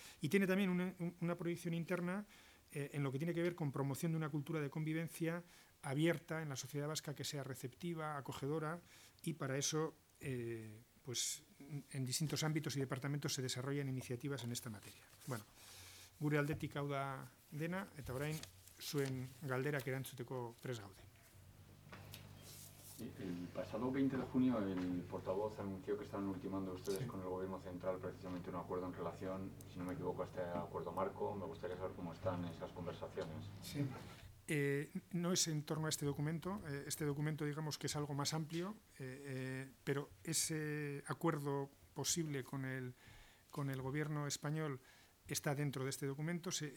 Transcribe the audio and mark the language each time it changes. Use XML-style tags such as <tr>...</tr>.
<es>Y tiene también una proyección interna en lo que tiene que ver con promoción de una cultura de convivencia abierta en la sociedad vasca, que sea receptiva, acogedora, y para eso pues en distintos ámbitos y departamentos se desarrollan iniciativas en esta materia.</es> <eu>Bueno, gure aldetik hau da dena, eta orain zuen galderak erantzuteko prest gaude.</eu> <es>El pasado 20 de junio el portavoz anunció que estaban ultimando ustedes con el Gobierno Central precisamente un acuerdo en relación, si no me equivoco, a este acuerdo marco. Me gustaría saber cómo están esas conversaciones. Sí. No es en torno a este documento. Este documento, digamos, que es algo más amplio, pero ese acuerdo posible con el Gobierno español está dentro de este documento.</es>